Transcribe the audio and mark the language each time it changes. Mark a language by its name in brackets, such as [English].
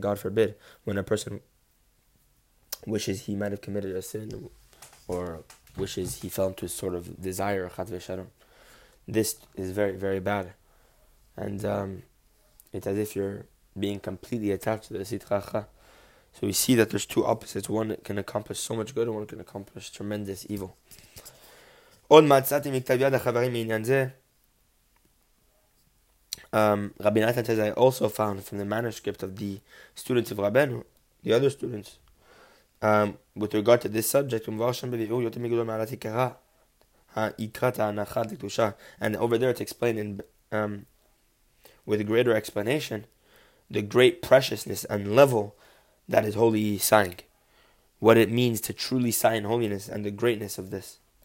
[English] God forbid, when a person wishes he might have committed a sin or wishes he fell into a sort of desire, [Hebrew] chas v'shalom, [English] this is very, very bad. And it's as if you're being completely attached to the sitracha. So we see that there's two opposites. One can accomplish so much good, and one can accomplish tremendous evil. [Hebrew] עוד מצאתי מכתב יד החברים מעניין זה. [English] Rabbi Nathan says, I also found from the manuscript of the students of Rabbeinu, the other students, with regard to this subject, and over there it's explained in, with greater explanation, the great preciousness and level that is holy sighing, what it means to truly sigh in holiness, and the greatness of this.